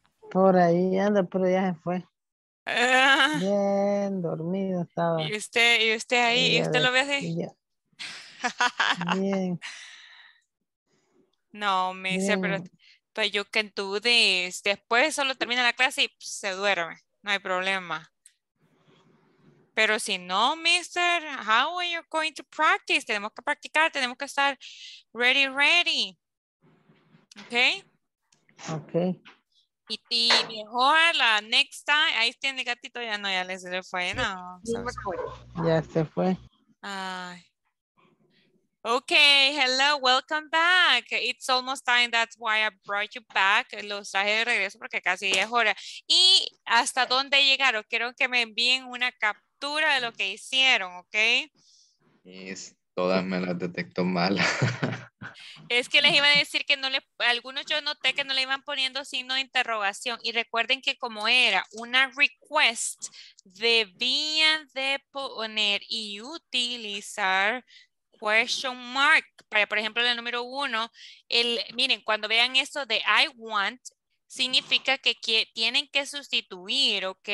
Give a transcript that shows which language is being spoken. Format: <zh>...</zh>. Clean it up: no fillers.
<es>Por ahí anda, pero ya se fue. Bien dormido estaba. ¿Y usted ahí? ¿Y usted lo ve así? Bien. No, me dice, pero</es> <en>you can do this.</en> <es>Después solo termina la clase y se duerme. No hay problema. Pero si no,</es> <en>mister, how are you going to practice?</en> <es>Tenemos que practicar, tenemos que estar ready. Okay? Okay. Y mejor la</es> <en>next time,</en> <es>ahí tiene el gatito, ya no, ya le se le fue, no. Ya se fue.</es> <en>Ay. Okay, hello, welcome back. It's almost time, that's why I brought you back.</en> <es>Los traje de regreso porque casi es hora. ¿Y hasta dónde llegaron? Quiero que me envíen una captura de lo que hicieron, ¿ok? Y todas me las detecto mal. Es que les iba a decir que no le, algunos yo noté que no le iban poniendo signo de interrogación, y recuerden que como era una request, debían de poner y utilizar question mark, para por ejemplo el número uno, el, miren, cuando vean esto de</es> <en>I want,</en> <es>significa que tienen que sustituir, ¿ok?</es>